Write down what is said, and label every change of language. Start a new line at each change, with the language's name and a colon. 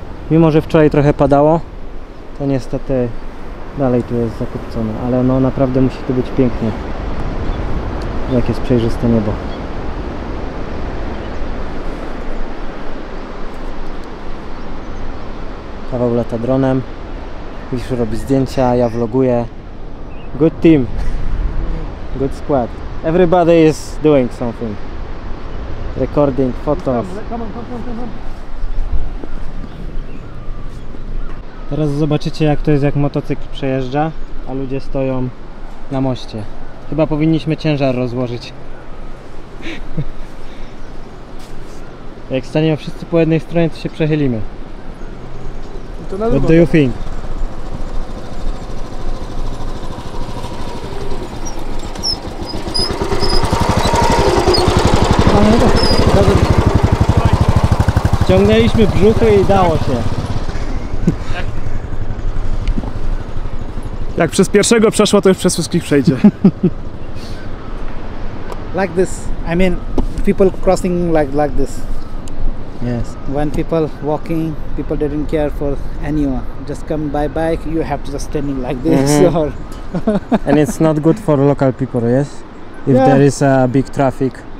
Polish: Mimo że wczoraj trochę padało, to niestety dalej tu jest zakupcone, ale no naprawdę musi tu być pięknie. Jakie jest przejrzyste niebo. Paweł lata dronem. Wiszu robi zdjęcia, ja vloguję.
English: Good team. Good squad. Everybody is doing something. Recording, photos.
Polish: Teraz zobaczycie, jak to jest, jak motocykl przejeżdża, a ludzie stoją na moście. Chyba powinniśmy ciężar rozłożyć. Jak staniemy wszyscy po jednej stronie, to się przechylimy. To na
English: What do you think?
Polish: Ściągnęliśmy brzuchy i dało się. Jak przez pierwszego przeszło, to już przez wszystkich przejdzie.
English: Like this, I mean, people crossing like this. Yes. When people walking, people didn't care for anyone. Just come by bike, you have to just standing like this. Mm-hmm. Or and it's not good for local people, yes? If there is a big traffic.